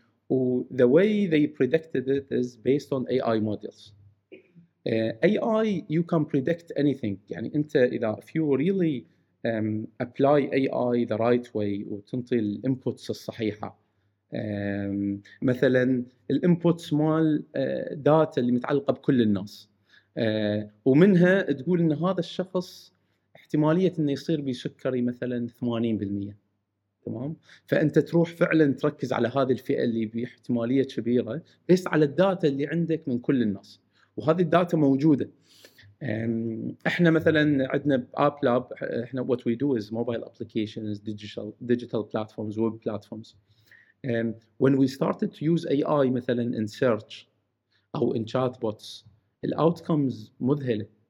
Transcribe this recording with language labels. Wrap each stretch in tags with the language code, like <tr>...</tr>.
<en>و the way they predicted it is based on AI models. AI you can predict anything.</en> <ar>يعني أنت إذا</ar> <en>if you really apply AI the right way</en> <ar>وتنطي الـ inputs الصحيحة. مثلاً الـ inputs مال data اللي متعلقة بكل الناس. ومنها تقول إن هذا الشخص احتمالية إنه يصير بسكري مثلاً 80%, تمام؟ فأنت تروح فعلاً تركز على هذه الفئة اللي باحتمالية كبيرة بس على الداتا اللي عندك من كل الناس, وهذه الداتا موجودة. إحنا مثلاً عندنا بآب لاب, إحنا</ar> <en>what we do is mobile applications, digital platforms, web platforms. When we started to use AI</en> <ar>مثلاً</ar> <en>in search</en> <ar>أو</ar> <en>in chatbots, the outcomes</en> <ar>مذهلة.</ar>